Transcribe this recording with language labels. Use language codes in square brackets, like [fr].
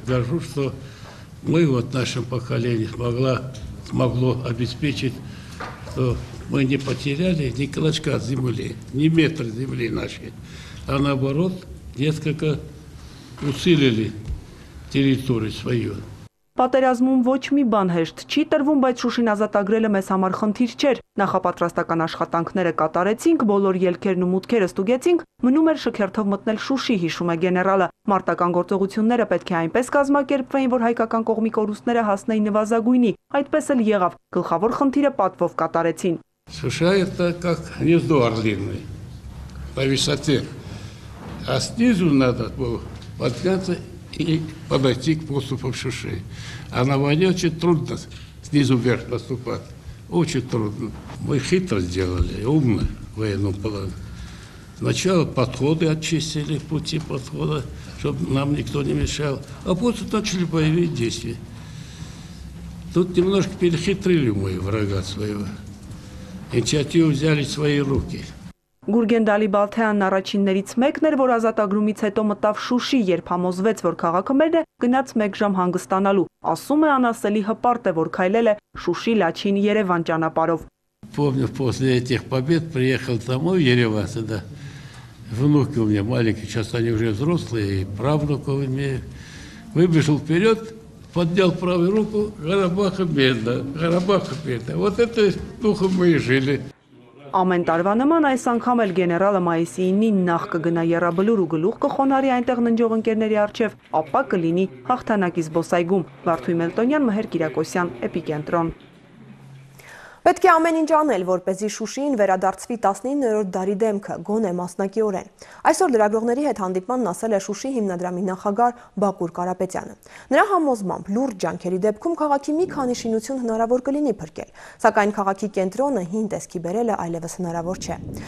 [ru] Горжусь, что мы, вот наше поколение, смогло обеспечить, что мы не потеряли ни клочка земли, ни метра земли нашей, а наоборот, несколько усилили территорию свою. [hy] Պատերազմում ոչ մի բան հեշտ չի տրվում, բայց Շուշին ազատագրելը մեզ համար խնդիր չէր։ Նախապատրաստական աշխատանքները կատարեցինք, բոլոր ելքերն ու մուտքերը ստուգեցինք, մնում էր շքերթով մտնել Շուշի, հիշում է գեներալը։ Մարտական գործողությունները պետք է այնպես կազմակերպվեին, որ հայկական կողմի կորուստները հասնեին նվազագույնի։ Այդպես էլ եղավ, գլխավոր խնդիրը պատվով կատարեցին։ [ru] Շուշա это как гнездо орлиное по высоте, а снизу надо было подняться и подойти к поступам Шуши. А на войне очень трудно снизу вверх наступать. Очень трудно. Мы хитро сделали, умно в военном положении. Сначала подходы очистили, пути подхода, чтобы нам никто не мешал. А после начали боевые действия. Тут немножко перехитрили мы врага своего. Инициативу взяли в свои руки. [hy] Գուրգեն Դալիբալթայանն առաջիններից մեկն էր, որ ազատագրումից հետո մտավ Շուշի, երբ համոզվեց, որ քաղաքը մերն է, գնաց մեկ ժամ հանգստանալու։ Ասում է, անասելի հպարտ է, որ քայլել է Շուշի, Լաչին, Երևան ճանապարով։ [ru] Помню, после этих побед приехал домой в Ереван, сюда. Внуки у меня маленькие, сейчас они уже взрослые, и правнуков имею. Выбежал вперед, поднял правую руку, Карабах и Мельда, Карабах и Мельда. Вот это духом мы и жили. [hy] Ամեն տարվա նման այս անգամ էլ գեներալը մայիսի 9-ին նախ կգնա Եռաբլուր ու գլուխ կխոնարի այնտեղ ննջող ընկերների առջև, ապա կլինի հաղթանակի զբոսայգում։ Վարդուհի Մելտոնյան, Մհեր Կիրակոսյան, Էպիկենտրոն։ Պետք է ամեն ինչ անել, որպեսզի Շուշին վերադարձվի 19-րդ դարի դեմքը, գոնե մասնակիորեն։ Այսօր լրագրողների հետ հանդիպման ասել է Շուշի հիմնադրամի նախագահ Բակուր Կարապետյանը։ Նրա համոզմամբ լուրջ ջանքերի դեպքում քաղաքի մի քանի շինություն հնարավոր կլինի փրկել, սակայն քաղաքի կենտրոնը հին տեսքի բերելը այլևս հնարավոր չէ։